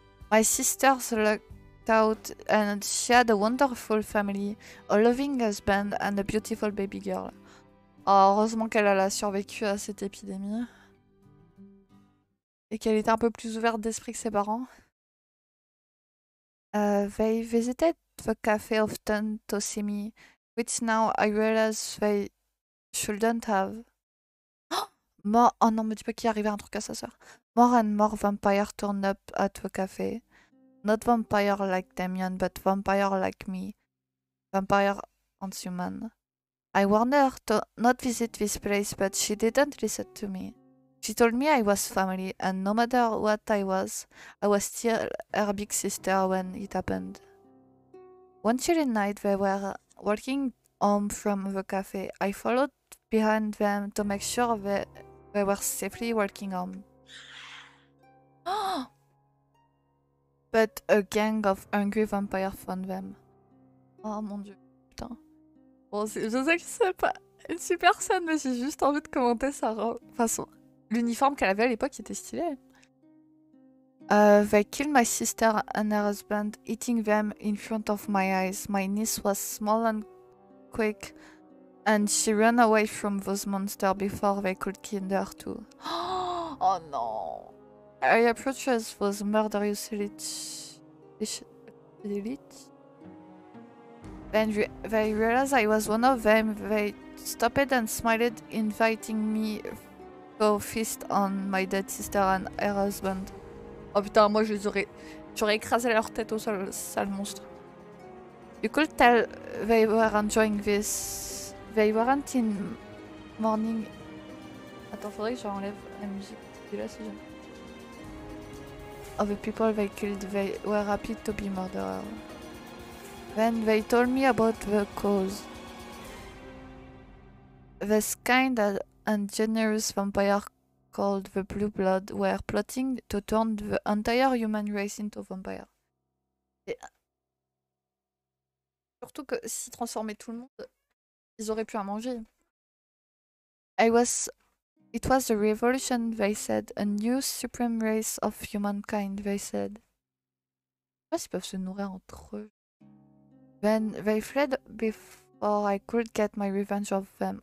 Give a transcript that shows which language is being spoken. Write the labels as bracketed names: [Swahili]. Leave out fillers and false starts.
[English] My sisters lucked out and she had a wonderful family, a loving husband and a beautiful baby girl. [French] Oh, heureusement qu'elle a survécu à cette épidémie. Et qu'elle était un peu plus ouverte d'esprit que ses parents. [English] They visited the cafe often to see me, which now I realize they shouldn't have. [French] Oh non, me dis pas qu'il est arrivé un truc à sa sœur. [English] More and more vampires turn up at the cafe. Not vampires like Damien, but vampires like me. Vampires and human. I warned her to not visit this place, but she didn't listen to me. She told me I was family, and no matter what I was still her big sister when it happened. One chilly night, they were walking home from the cafe. I followed behind them to make sure they were safely walking home. But a gang of angry vampires found them. [French] Oh mon dieu, putain. Bon, je sais que c'est pas une super scène, mais j'ai juste envie de commenter sa façon. L'uniforme qu'elle avait à l'époque était stylé. [English] They killed my sister and her husband, eating them in front of my eyes. My niece was small and quick, and she ran away from those monsters before they could kill her too. [French] Oh non! [English] I approached those murderous lich. When they realized I was one of them, they stopped and smiled, inviting me to feast on my dead sister and her husband. [French] Oh putain, moi je les aurais... J'aurais écrasé leur tête au sol, sale monstre. [English] You could tell they were enjoying this. They weren't in mourning. [French] Attends, faudrait que j'enlève la musique. C'est là, c'est jamais. [English] Of the people they killed, they were happy to be murderers. Then they told me about the cause. This kind and generous vampire called the Blue Blood were plotting to turn the entire human race into vampires. [French] Et... Surtout que s'ils transformaient tout le monde, ils auraient pu en manger. [English] It was a revolution, they said. A new supreme race of humankind, they said. [French] Je sais pas, ils peuvent se nourrir entre eux. [English] Then they fled before I could get my revenge of them.